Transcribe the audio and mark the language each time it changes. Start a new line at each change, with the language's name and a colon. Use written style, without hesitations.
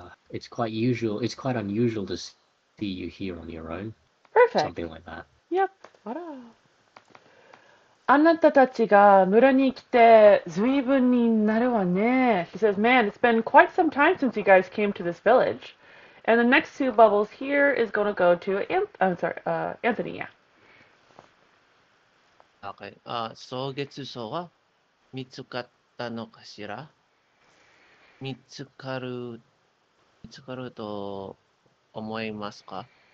English: It's quite usual, it's quite unusual to see you here on your own, Perfect. something like that. Yep. あら。
Japanese: あなたたちが村に来て随分になるわね。
English: She says, Man, it's been quite some time since you guys came to this village. And the next two bubbles here is going to go to Anthony, yeah. Okay.
Japanese: 草月草は見つかったのかしら？見つかると思いますか？